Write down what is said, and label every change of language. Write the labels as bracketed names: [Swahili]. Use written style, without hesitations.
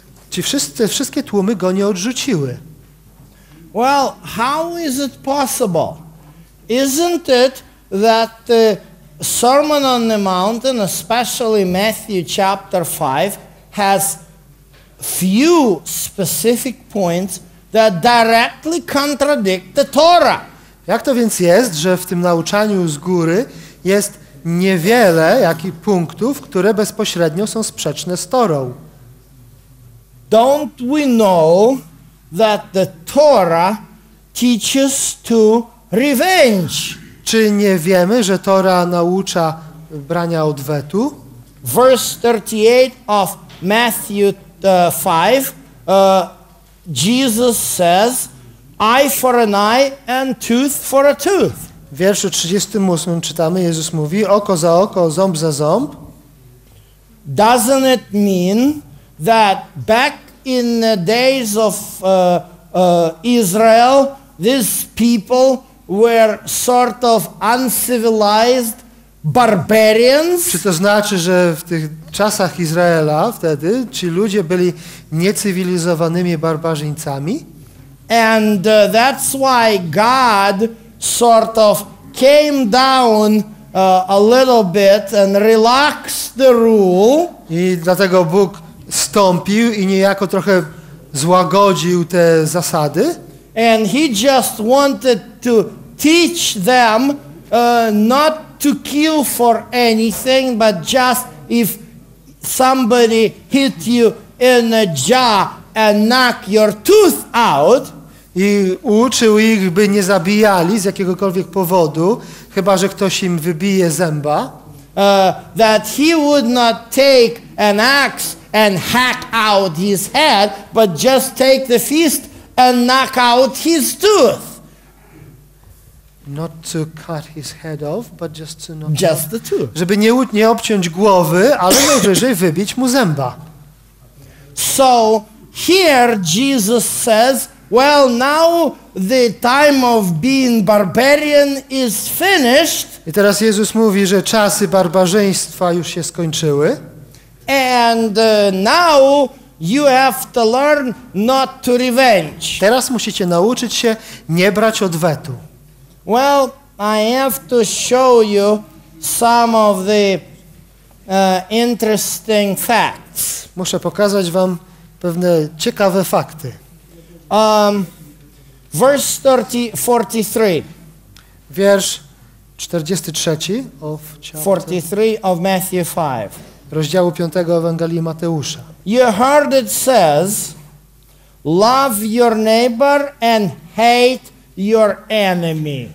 [Polish] Ci wszystkie tłumy go nie odrzuciły. [English] Well, how is it possible? Isn't it that the Sermon on the Mountain, especially Matthew chapter 5, has few specific points that directly contradict the Torah? [Polish] Jak to więc jest, że w tym nauczaniu z góry jest niewiele jakich punktów, które bezpośrednio są sprzeczne z Torą? [English] Don't we know that the Torah teaches to revenge? [Polish] Czy nie wiemy, że Tora naucza brania odwetu? [English] Verse 38 of Matthew 5, Jesus says, eye for an eye and tooth for a tooth. [Polish] W wierszu 38 czytamy, Jezus mówi, oko za oko, ząb za ząb. [English] Doesn't it mean that back in the days of Israel, these people were sort of uncivilized barbarians? [Polish] Czy to znaczy, że w tych czasach Izraela wtedy ci ludzie byli niecywilizowanymi barbarzyńcami? [English] And that's why God sort of came down a little bit and relaxed the rule. [Polish] I dlatego Bóg stąpił i niejako trochę złagodził te zasady. [English] And he just wanted to teach them not to kill for anything, but just if somebody hit you in a jaw and knock your tooth out. [Polish] I uczył ich, by nie zabijali z jakiegokolwiek powodu, chyba że ktoś im wybije zęba. [English] That he would not take an axe and hack out his head, but just take the fist and knock out his tooth. Not to cut his head off, but just to knock just the tooth. [Polish] Żeby nie obciąć głowy, ale najwyżej wybić mu zęba. [English] So here Jesus says, well, now the time of being barbarian is finished. [Polish] I teraz Jezus mówi, że czasy barbarzyństwa już się skończyły. [English] And now you have to learn not to revenge. [Polish] Teraz musicie nauczyć się nie brać odwetu. [English] Well, I have to show you some of the interesting facts. [Polish] Muszę pokazać wam pewne ciekawe fakty. [English] Verse 43. [Polish] Wiersz 43 [English] of 43 of Matthew 5. [Polish] Rozdziału 5 Ewangelii Mateusza. [English] You heard it says, love your neighbor and hate your enemy.